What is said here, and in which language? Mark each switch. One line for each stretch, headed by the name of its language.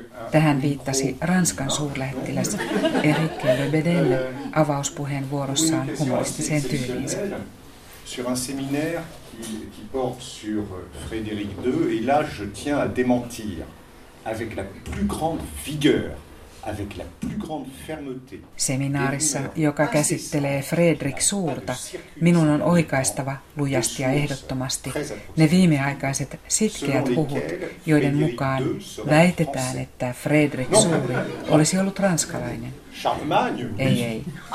Finnish: Tähän viittasi Ranskan suurlähettiläs Eric Le Bedelle avauspuheen vuorossaan humoristiseen tyyliinsä.
French: Sur un séminaire qui porte sur Frédéric II, et là je tiens à démentir avec la plus grande vigueur, avec la plus grande fermeté.
Finnish: Seminaarissa, joka käsittelee Fredrik Suurta, minun on oikaistava lujasti ja ehdottomasti ne viimeaikaiset sitkeät huhut, joiden mukaan väitetään, että Fredrik Suuri olisi ollut ranskalainen. Ei.